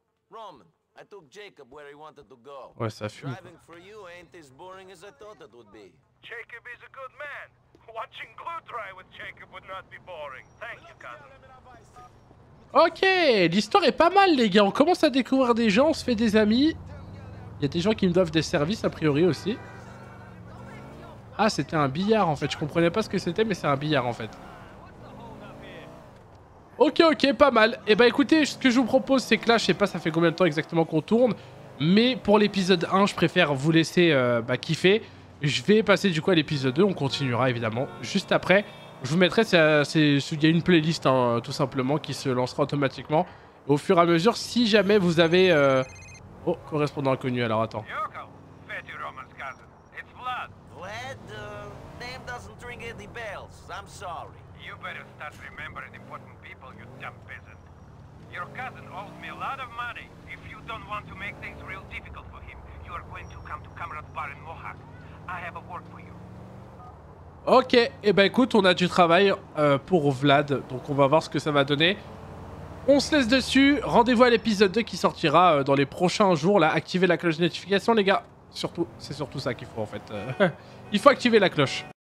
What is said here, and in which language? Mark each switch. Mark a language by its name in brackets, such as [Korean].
[English] Roman, I took Jacob where he wanted to go. [French] Ouais, ça fume. [English] Driving for you ain't as boring as I thought it would be. Jacob is a good man. Watching glue dry with Jacob would not be boring. Thank you, cousin. [French] Ok, l'histoire est pas mal les gars, on commence à découvrir des gens, on se fait des amis. Il y a des gens qui me doivent des services a priori aussi. Ah, c'était un billard en fait, je comprenais pas ce que c'était mais c'est un billard en fait. Ok, ok, pas mal. Et bah écoutez, ce que je vous propose c'est que là, je sais pas ça fait combien de temps exactement qu'on tourne, mais pour l'épisode 1, je préfère vous laisser kiffer. Je vais passer du coup à l'épisode 2, on continuera évidemment juste après. Je vous mettrai, il y a une playlist hein, tout simplement qui se lancera automatiquement au fur et à mesure si jamais vous avez... Oh, correspondant inconnu, alors attends. [English] Yoko, fetty Roman's cousin. It's Vlad. Vlad, name doesn't ring any bells. I'm sorry. You better start remembering important people, you dumb peasant. Your cousin owes me a lot of money. If you don't want to make things real difficult for him, you are going to come to Camarade Bar in Mohawk. I have a work for you. [French] Ok, et eh ben écoute, on a du travail pour Vlad, donc on va voir ce que ça va donner. On se laisse dessus, rendez-vous à l'épisode 2 qui sortira dans les prochains jours, là. Activez la cloche de notification, les gars. Surtout, c'est surtout ça qu'il faut, en fait. Il faut activer la cloche.